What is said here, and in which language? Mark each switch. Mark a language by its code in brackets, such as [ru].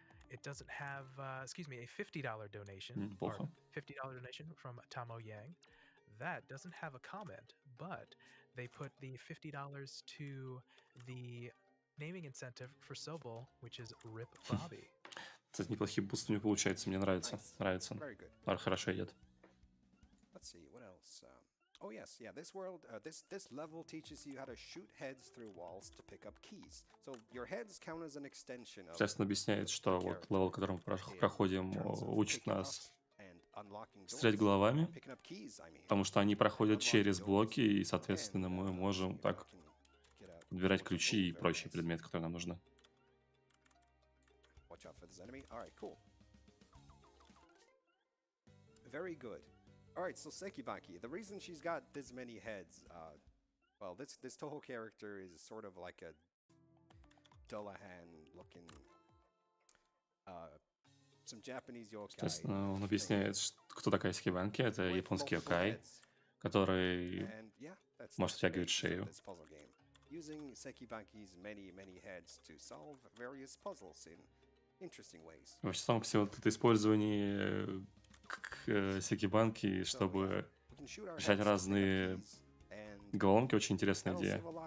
[en] It doesn't have, a $50 donation, or $50 donation from Tamo Yang. That doesn't have a comment, but they put the $50 to the naming incentive for Sobol, which is Rip Bobby. [ru] Кстати, неплохие бусты у него получаются, мне нравится. [en] Nice. [ru] Нравится. [en] Very good. [ru] Пар хорошо идет. [en] Let's see, what else? Oh yes, yeah, this world, this level teaches you how to shoot heads through walls to pick up keys. So your heads count as an extension of... [ru] Сейчас он объясняет, что вот левел, который мы проходим, учит нас стрелять головами, потому что они проходят через блоки, и, соответственно, мы можем так подбирать ключи и прочие предметы, которые нам нужны. [en] Watch out for this enemy. All right, cool. Very good. All right, so Sekibaki, the reason she's got this many heads, well, this Toho character is sort of like a Dullahan-looking, some Japanese yokai. [ru] Естественно, он объясняет, кто такая Секибаки. Это японский йокай, который может втягивать шею. [en] Using Sekibaki's many heads to solve various puzzles in interesting ways. [ru] Вообще, само по себе, вот это использование Секибаки, чтобы решать разные головоломки, очень интересная идея.